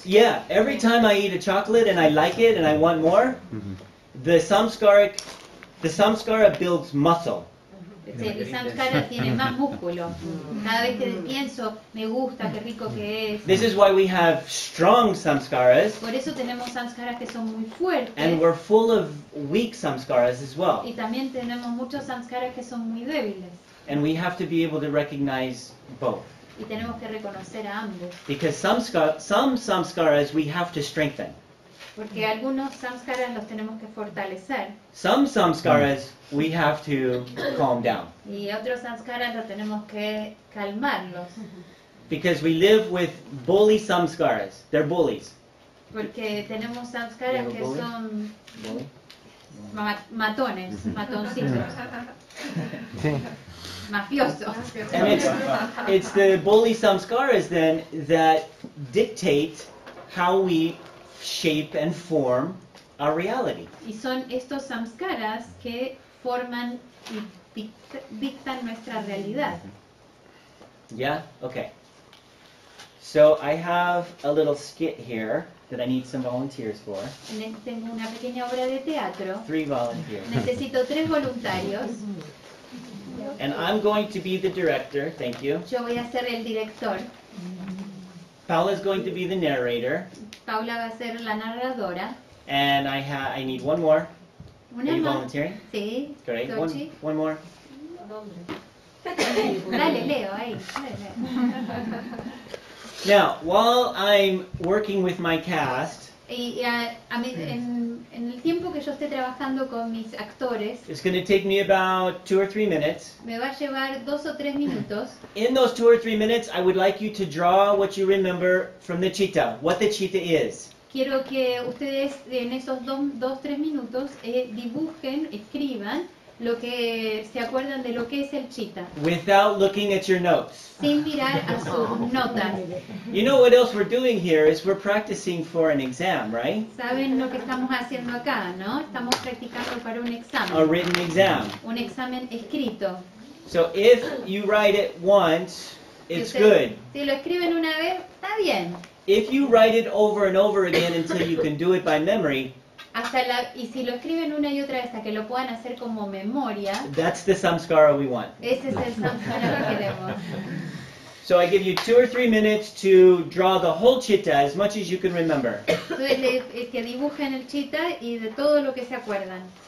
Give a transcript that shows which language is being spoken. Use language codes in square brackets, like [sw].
[en] Yeah, every time I eat a chocolate and I like it and I want more, the samskara builds muscle. [es] El samskara tiene más músculo. Cada vez que pienso, me gusta, qué rico que es. [en] This is why we have strong samskaras. [es] Por eso tenemos samskaras que son muy fuertes. [en] And we're full of weak samskaras as well. [es] Y también tenemos muchos samskaras que son muy débiles. [en] And we have to be able to recognize both. [es] Y tenemos que reconocer a ambos. [en] Because some samskaras we have to strengthen. [es] Porque algunos samskaras los tenemos que fortalecer. [en] Some samskaras we have to calm down. [es] Y otros samskaras los tenemos que calmarlos. [en] Because we live with bully samskaras. They're bullies. [es] Porque tenemos samskaras que [en] bully? [es] Son... [en] Bully? [es] Matones, mm-hmm. matoncitos, mm-hmm. mafiosos. [en] It's the bully samskaras then that dictate how we shape and form our reality. [es] Y son estos samskaras que forman y dictan nuestra realidad. [en] Yeah. Okay. So I have a little skit here. That I need some volunteers for. [es] Tengo una pequeña obra de teatro. [en] Three volunteers. [es] Necesito tres voluntarios. [en] And I'm going to be the director, thank you. [es] Yo voy a ser el director. [en] Paula's going to be the narrator. [es] Paula va a ser la narradora. [en] And I need one more. Are you volunteering? [es] Sí. [en] Great, one more. [es] Dale, Leo, ahí. [en] Now, while I'm working with my cast, [es] en el tiempo que yo esté trabajando con mis actores, [en] it's going to take me about 2 or 3 minutes. [es] Me va a llevar 2 o 3 minutos. [en] In those 2 or 3 minutes, I would like you to draw what you remember from the chitta, what the chitta is. [es] Quiero que ustedes en esos 2 o 3 minutos dibujen, escriban lo que se acuerdan de lo que es el chitta. [en] Without looking at your notes. [es] Sin mirar a sus notas. [en] You know what else we're doing here is we're practicing for an exam, right? [es] Saben lo que estamos haciendo acá, ¿no? Estamos practicando para un examen. [en] A written exam. [es] Un examen escrito. [en] So if you write it once, it's [es] si usted, [en] good. [es] Si lo escriben una vez, está bien. [en] If you write it over and over again until you can do it by memory. [es] Y si lo escriben una y otra vez hasta que lo puedan hacer como memoria. [en] That's the samskara we want. [es] Ese es el samskara que queremos. [en] So I give you 2 or 3 minutes to draw the whole chitta as much as you can remember. [es] Entonces que dibujen el chitta y de todo lo que se acuerdan.